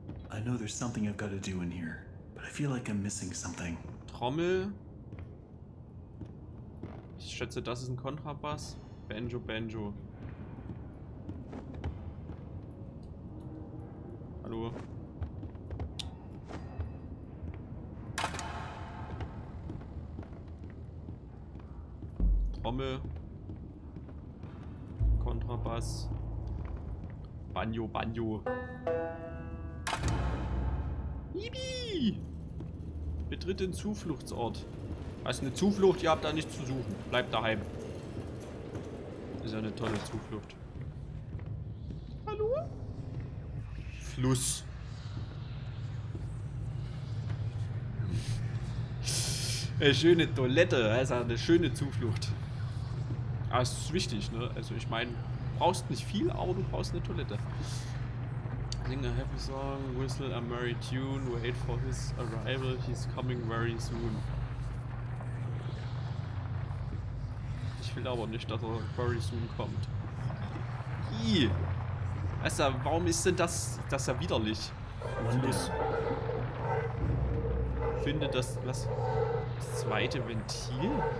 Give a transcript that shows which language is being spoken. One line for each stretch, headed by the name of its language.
English: I know there's something I've got to do in here, but I feel like I'm missing something.
German: Trommel. Ich schätze, das ist ein Kontrabass. Banjo, Banjo. Hallo. Trommel. Kontrabass. Banjo, Banjo. Yibi! Betritt den Zufluchtsort. Also eine Zuflucht, ihr habt da nichts zu suchen. Bleibt daheim. Ist ja eine tolle Zuflucht. Hallo? Fluss. Eine schöne Toilette, also eine schöne Zuflucht. Das ist wichtig, ne? Also ich meine, du brauchst nicht viel, aber du brauchst eine Toilette.
English: Sing a happy song, whistle a merry tune, wait for his arrival, he's coming very soon.
German: Ich will aber nicht, dass er
English: very soon
German: kommt. Ii. Also, warum ist denn das ja widerlich? Fluss. Finde das, was? Das zweite Ventil?